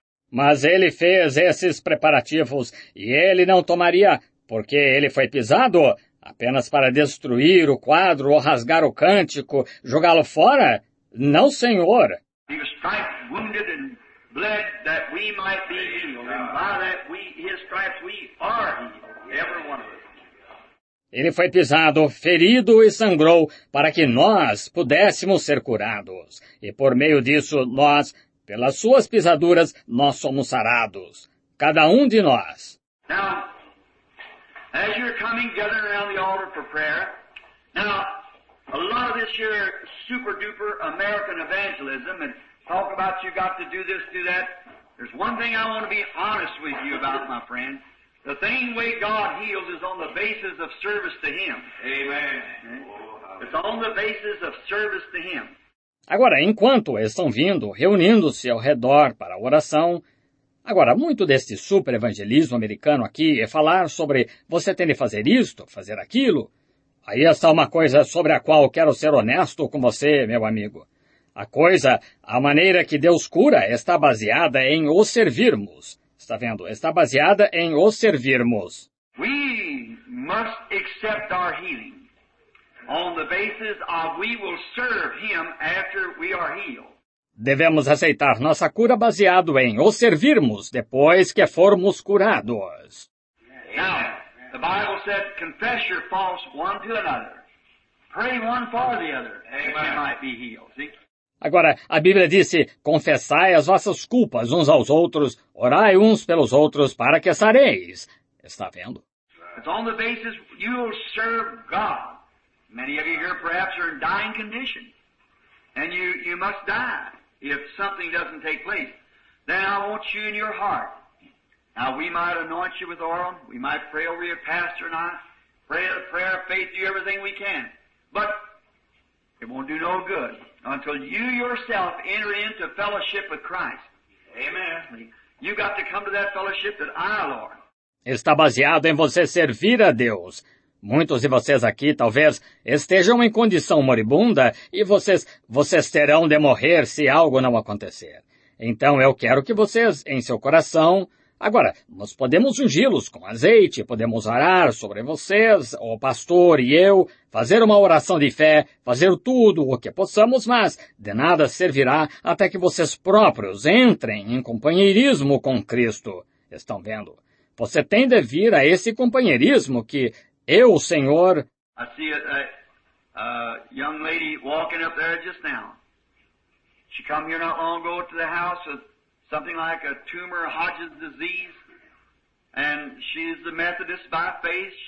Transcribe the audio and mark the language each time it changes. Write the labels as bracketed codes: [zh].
[pt] Mas ele fez esses preparativos e ele não tomaria, porque ele foi pisado, apenas para destruir o quadro ou rasgar o cântico, jogá-lo fora? Não, senhor. [en] He was striped, wounded and bled that we might be healed. And by that we, his stripes, we are healed, every one of us. [pt] Ele foi pisado, ferido e sangrou para que nós pudéssemos ser curados. E por meio disso, nós, pelas suas pisaduras, nós somos sarados. Cada um de nós. [en] Now, as you're coming gathering around the altar for prayer, now, a lot of this here super-duper American evangelism and talk about you got to do this, do that. There's one thing I want to be honest with you about, my friend. The thing way God heals is on the basis of service to Him. Amen. It's on the basis of service to Him. [pt] Agora, enquanto estão vindo, reunindo-se ao redor para a oração, agora, muito deste super evangelismo americano aqui é falar sobre você tem de fazer isto, fazer aquilo. Aí está uma coisa sobre a qual quero ser honesto com você, meu amigo. A coisa, a maneira que Deus cura está baseada em o servirmos. Está vendo? Está baseada em o servirmos. [en] We must accept our healing on the basis of we will serve Him after we are healed. [pt] Devemos aceitar nossa cura baseado em o servirmos depois que formos curados. [en] Now, the Bible said, confess your faults one to another. Pray one for the other, that you might be healed. See? [pt] Agora, a Bíblia disse, confessai as vossas culpas uns aos outros, orai uns pelos outros para que sareis. Está vendo? [en] It's on the basis you will serve God. Many of you here perhaps are in dying condition. And you must die if something doesn't take place. Then I want you in your heart. Now we might anoint you with oil, we might pray over your pastor and I, pray a prayer of faith, do everything we can. But it won't do no good until you yourself enter into fellowship with Christ. Amen. You got to come to that fellowship that I, Lord. [pt] Está baseado em você servir a Deus. Muitos de vocês aqui, talvez, estejam em condição moribunda e vocês terão de morrer se algo não acontecer. Então, eu quero que vocês, em seu coração... Agora, nós podemos ungi-los com azeite, podemos orar sobre vocês, o pastor e eu, fazer uma oração de fé, fazer tudo o que possamos, mas de nada servirá até que vocês próprios entrem em companheirismo com Cristo. Estão vendo? Você tem de vir a esse companheirismo que eu, o Senhor... [en] I see a young lady walking up there just now. She come here not long ago to the house with... something like a tumor, Hodges disease, and she's a Methodist by faith.